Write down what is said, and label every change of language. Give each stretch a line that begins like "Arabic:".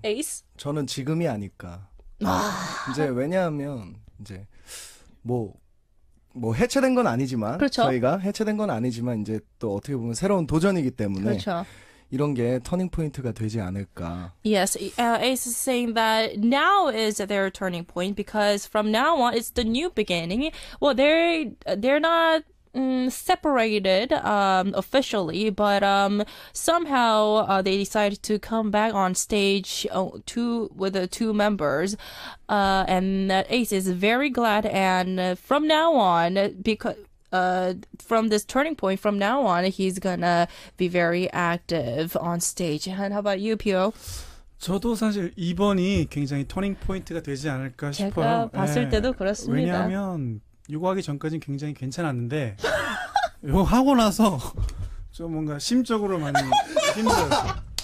Korean: 에이스? 저는 지금이 아닐까. 아. 이제 왜냐하면 이제 뭐 해체된 건 아니지만 그렇죠? 저희가 해체된 건 아니지만 이제 또 어떻게 보면 새로운 도전이기 때문에. 그렇죠. 이런 게 터닝 포인트가 되지 않을까?
English: Yes, Ace is saying that now is their turning point because from now on it's the new beginning. Well, they're not separated officially, but somehow they decided to come back on stage with the two members, and Ace is very glad. And from now on, from this turning point, from now on, he's gonna be very active on stage. And how about you, Pio?
Korean: 저도 사실 이번이 굉장히 터닝 포인트가 되지 않을까 제가 싶어요. 제가 봤을 때도 그렇습니다. 왜냐하면 이거 하기 전까지는 굉장히 괜찮았는데 이거 하고 나서 좀 뭔가 심적으로 많이 힘들었어요.